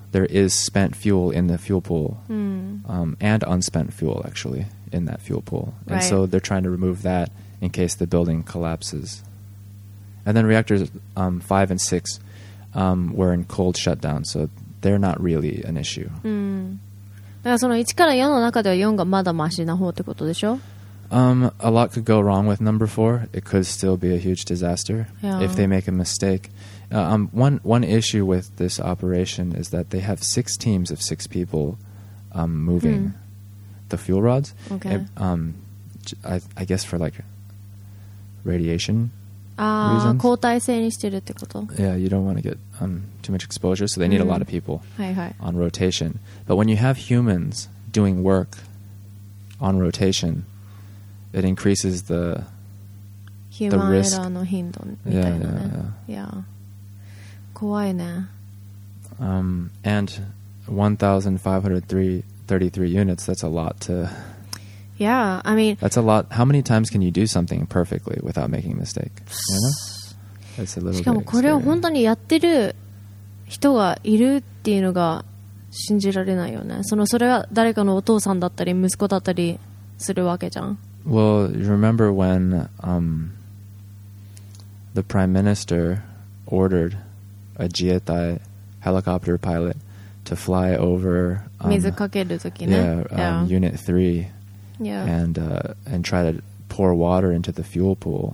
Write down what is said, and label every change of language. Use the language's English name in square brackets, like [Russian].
[English] There is spent fuel in the fuel pool. And unspent fuel, actually, in that fuel pool. Right. And so they're trying to remove that in case the building collapses. And then reactors 5 and 6 were in cold shutdown, so they're not really an issue. [Japanese] だからその1から4の中では4がまだマシな方ってことでしょ？ [English] A lot could go wrong with number 4. It could still be a huge disaster if they make a mistake. One issue with this operation is that they have 6 teams of 6 people moving the fuel rods. Okay. I guess for like radiation reasons. [Japanese] 交代制にしてるってこと？ [English] Yeah, you don't want to get too much exposure, so they need a lot of people [Japanese] はい。 [English] on rotation. But when you have humans doing work on rotation, it increases the risk. Human error [Japanese] の頻度みたいなね。 [English] Yeah. [Japanese] 怖いね。 [English] And 1,533 units, that's a lot to... Yeah, I mean... That's a lot. How many times can you do something perfectly without making a mistake? You know? That's a little bit scary. [Japanese] しかもこれを本当にやってる人がいるっていうのが信じられないよね。その、それは誰かのお父さんだったり息子だったりするわけじゃん。 [English] Well, you remember when the Prime Minister ordered a 自衛隊 helicopter pilot to fly over... [Japanese] 水かける時ね。 [English] Yeah, Unit 3. Yeah. And try to pour water into the fuel pool.